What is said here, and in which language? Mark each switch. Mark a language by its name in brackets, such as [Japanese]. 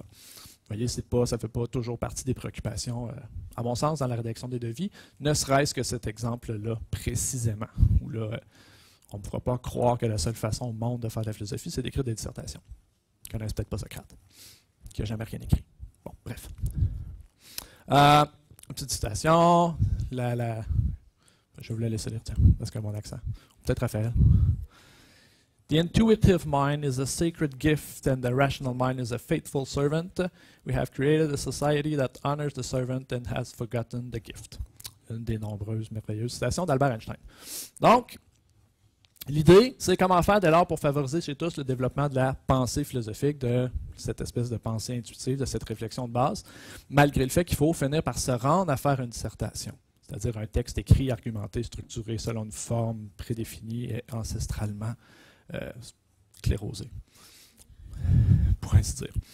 [French] Vous voyez, c'est pas, ça ne fait pas toujours partie des préoccupations, à mon sens, dans la rédaction des devis, ne serait-ce que cet exemple-là, précisément, où là, on ne pourra pas croire que la seule façon au monde de faire de la philosophie, c'est d'écrire des dissertations. Ils ne connaissent peut-être pas Socrate, qui n'a jamais rien écrit. Bon, bref. Petite citation. Je voulais laisser lire, tiens, parce que mon accent. Peut-être Raphaël. [English] The intuitive mind is a sacred gift and the rational mind is a faithful servant. We have created a society that honors the servant and has forgotten the gift. [French] Une des nombreuses merveilleuses citations d'Albert Einstein. Donc, l'idée, c'est comment faire dès lors pour favoriser chez tous le développement de la pensée philosophique, de cette espèce de pensée intuitive, de cette réflexion de base, malgré le fait qu'il faut finir par se rendre à faire une dissertation, c'est-à-dire un texte écrit, argumenté, structuré selon une forme prédéfinie et ancestralement clérosé, pour ainsi dire.